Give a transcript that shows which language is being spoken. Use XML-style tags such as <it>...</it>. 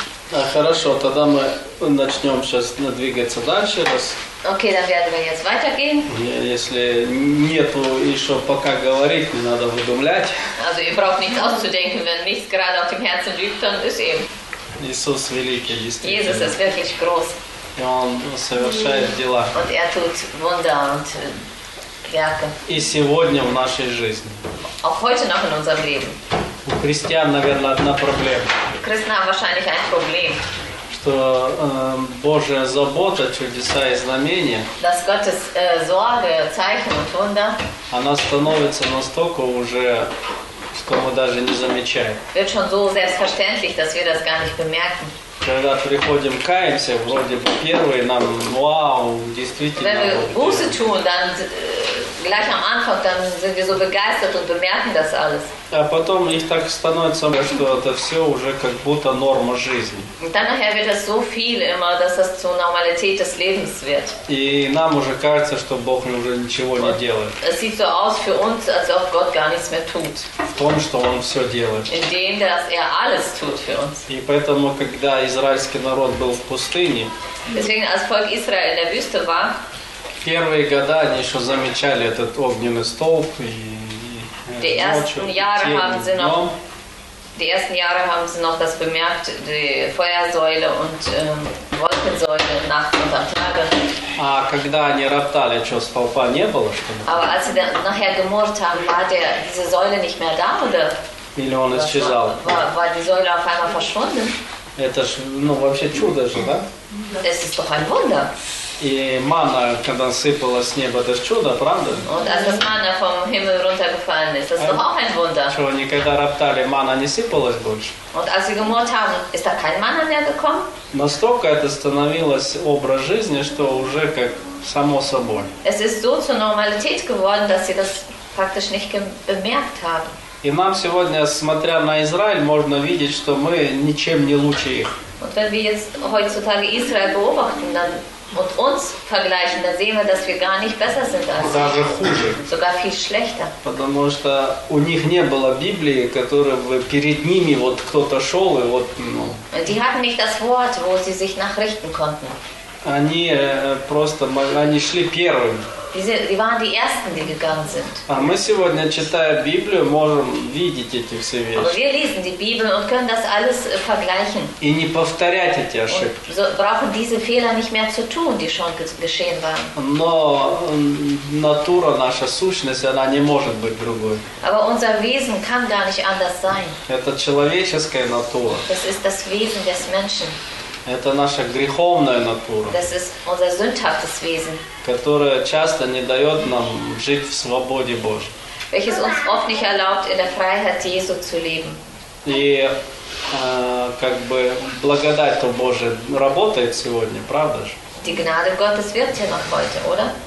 <ru>А, хорошо, тогда мы начнем сейчас двигаться дальше.</ru> <de>Окей, dann werden wir jetzt weitergehen.</de> <ru>Если нету еще пока говорить, не надо выдумлять.</ru> <de>Also ihr braucht nichts auszudenken, wenn nichts gerade auf dem Herzen liegt, dann ist eben.</de> <ru>Иисус великий, действительно.</ru> <de>Jesus ist wirklich groß.</de> <ru>И Он совершает дела.</ru> <de>Und er tut Wunder und Werke.</de> <ru>И сегодня в нашей жизни.</ru> <de>Auch heute noch in unserem Leben.</de> <ru>У христиан, наверное, одна проблема. У христиан,</ru> <de>wahrscheinlich, ein Problem.</de> <ru>Что Божья забота, чудеса и знамения,</ru> <de>dass Gottes Sorge, Zeichen und Wunder,</de> <ru>она становится настолько уже, что мы даже не замечаем.</ru> <de>Wird schon so selbstverständlich, dass wir das gar nicht bemerken.</de> <ru>Когда приходим, каемся, вроде бы первые нам, вау, действительно.</ru> <de>Wenn wir Buße tun, dann gleich am Anfang, dann sind wir so begeistert und bemerken das alles.</de> <ru>А потом их так становится, что это все уже как будто норма жизни.</ru> <de>Und dann nachher wird das so viel immer, dass das zur Normalität des Lebens wird.</de> <ru>И нам уже кажется, что Бог уже ничего не делает.</ru> <de>Es sieht so aus für uns, als ob Gott gar nichts mehr tut.</de> <ru>В том, что Он все делает.</ru> <de>In dem, dass er alles tut für uns.</de> <ru>И поэтому, когда израильский народ был в пустыне,</ru> <de>deswegen, als Volk Israel in der Wüste war,</de> <ru>первые годы они еще замечали этот огненный столб и ночью, и тем, днем.</ru> <de>die ersten Jahre haben sie noch das bemerkt, die Feuersäule und Wolkensäule nachts und am Tage.</de> <ru>А когда они роптали, что столпа не было, что ли?</ru> <de>Aber als sie nachher gemurrt haben, war diese Säule nicht mehr da, oder?</de> <ru>Или он исчезал?</ru> <de>War die Säule auf einmal verschwunden?</de> <ru>Это ж, ну, вообще чудо же, да?</ru> <de>Es ist doch ein Wunder.</de> <ru>И манна, когда сыпала с неба, это чудо, правда?</ru> <de>Und als das Manna vom Himmel runtergefallen ist, das ist doch auch ein Wunder.</de> <ru>Чего никогда роптали, манна не сыпалась больше?</ru> <de>Und als sie gemurrt haben, ist da kein Manna mehr gekommen?</de> <ru>Настолько это становилось образ жизни, что уже как само собой.</ru> <de>Es ist so zur Normalität geworden, dass sie das praktisch nicht bemerkt haben.</de> <ru>И нам сегодня, смотря на Израиль, можно видеть, что мы ничем не лучше их.</ru> <de>Und wenn wir jetzt heutzutage Israel beobachten, dann und uns vergleichen, dann sehen wir, dass wir gar nicht besser sind als sie.</de> <ru>Хуже.</ru> <de>Sogar viel schlechter.</de> <ru>Потому что у них не было Библии, которая бы перед ними вот кто-то шел и вот. Ну.</ru> <de>Die hatten nicht das Wort, wo sie sich nachrichten konnten.</de> <ru>Они просто, они шли первыми.</ru> <de>Die waren die Ersten, die gegangen sind.</de> <ru>А мы сегодня, читая Библию, можем видеть эти все вещи.</ru> <de>Aber wir lesen die Bibel und können das alles vergleichen.</de> <ru>И не повторять эти ошибки.</ru> <de>So brauchen diese Fehler nicht mehr zu tun, die schon geschehen waren.</de> <ru>Но натура, наша сущность, она не может быть другой.</ru> <de>Aber unser Wesen kann gar nicht anders sein.</de> <ru>Это человеческая натура.</ru> <de>Das ist das Wesen des Menschen.</de> <ru>Это наша греховная натура.</ru> <de>Das ist unser sündhaftes Wesen.</de> <ru>Которая часто не дает нам жить в свободе Божьей.</ru> <de>Welches uns oft nicht erlaubt, in der Freiheit Jesu zu leben.</de> <ru>И как бы благодать Божия работает сегодня, правда же?</ru> <de>Die Gnade Gottes wirkt ja noch heute, oder?</de>